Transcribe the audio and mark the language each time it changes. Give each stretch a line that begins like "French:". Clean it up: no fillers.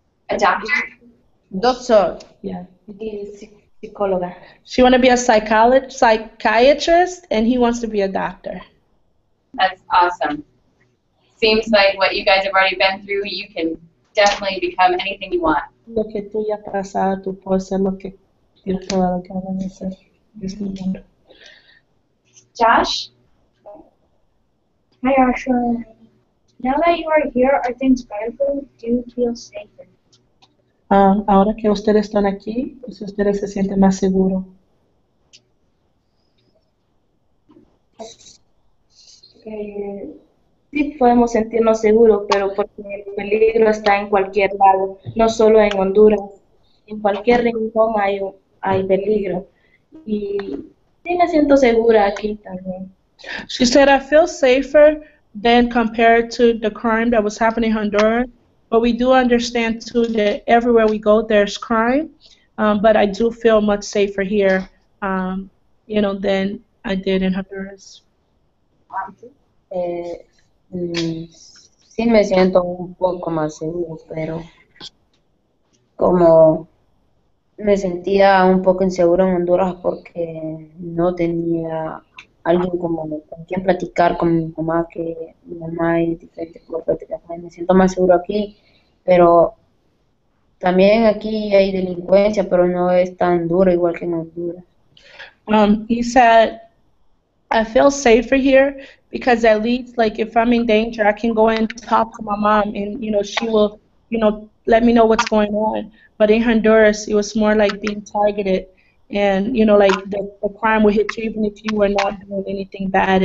English: A doctor? Doctor. Yeah.
Spanish: Psicóloga.
English: She wants to be a psychiatrist, and he wants to be a doctor. That's awesome. Seems like what you guys have already been through, you can definitely become anything you want.
Spanish: Lo que tú ya pasado, tú puedes ser lo que yo puedo lograr en este mundo.
English: Josh? Hi, Ashura. Now that you are here, are things better for you? Do you feel safer?
Spanish: Ahora que ustedes están aquí, pues ustedes se sienten más seguro. Sí, podemos sentirnos seguros, pero porque el peligro está en cualquier lado, no solo en Honduras. En cualquier rincón hay peligro. Y sí, me siento segura aquí también.
English: She said, I feel safer than compared to the crime that was happening in Honduras. But we do understand, too, that everywhere we go, there's crime. But I do feel much safer here, you know, than I did in Honduras.
Spanish: Sí me siento un poco más seguro, pero como Me sentía un poco inseguro en Honduras porque no tenía alguien como con quien platicar con mi mamá, que mi mamá es diferente, me siento más seguro aquí, pero también aquí hay delincuencia, pero no es tan dura igual que en Honduras.
English: He said, I feel safer here because at least, like, if I'm in danger, I can go and talk to my mom and, you know, she will, you know, let me know what's going on. But in Honduras, it was more like being targeted and, you know, like the crime would hit you even if you were not doing anything bad.